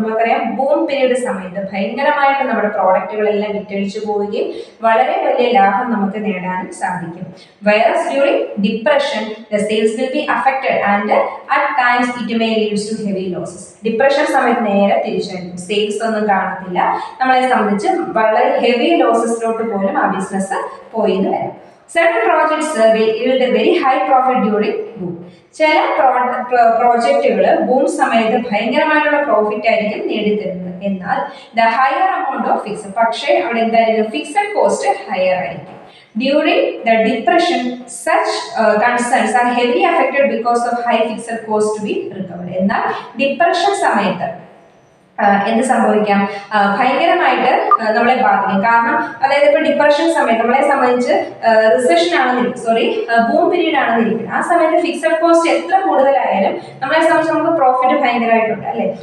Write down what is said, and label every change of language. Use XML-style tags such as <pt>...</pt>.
<ml>നമുക്കറിയാം boom period സമയത്ത് ഭയങ്കരമായിട്ട് നമ്മുടെ പ്രോഡക്റ്റുകളെല്ലാം വിറ്റഴിച്ചു പോവുകയും വളരെ വലിയ ലാഭം നമുക്ക് നേടാനും സാധിക്കും.</ml> <en>Whereas during depression the sales will be affected and at times it may leads to heavy losses.</en> <ml>Depression സമയത്ത് നേരെ തിരിച്ചറിയും, സെയിൽസ് ഒന്നും കാണത്തില്ല, നമ്മളെ സംബന്ധിച്ച് വളരെ ഹെവി ലോസസിലോട്ട് പോലും ആ ബിസിനസ് പോയി എന്ന് വരാം.</ml> <en>Certain projects will yield a very high profit during boom.</en> <ml>ചില പ്രോജക്റ്റുകൾ ബൂം സമയത്ത് ഭയങ്കരമായിട്ടുള്ള പ്രോഫിറ്റ് ആയിരിക്കും നേടിത്തരുന്നത്, എന്നാൽ</ml> <en>the higher amount of fix,</en> <ml>പക്ഷേ അവിടെ എന്തായാലും ഫിക്സഡ് കോസ്റ്റ് ഹയർ ആയിരിക്കും.</ml> <en>During the depression, such concerns are heavily affected because of high fixed cost to be recovered.</en> <ml>എന്നാൽ ഡിപ്രഷൻ സമയത്ത് എന്ത് സംഭവിക്കാം, ഭയങ്കരമായിട്ട് നമ്മളെ ബാധിക്കും. കാരണം അതായത് ഇപ്പൊ ഡിപ്രഷൻ സമയത്ത് നമ്മളെ സംബന്ധിച്ച് റിസഷൻ ആണെന്നിരിക്കും, സോറി ബൂം പീരീഡ് ആണെന്നിരിക്കും, ആ സമയത്ത് ഫിക്സഡ് കോസ്റ്റ് എത്ര കൂടുതലായാലും നമ്മളെ സംബന്ധിച്ച് നമുക്ക് പ്രോഫിറ്റ് ഭയങ്കരമായിട്ടുണ്ട് അല്ലെ.</ml>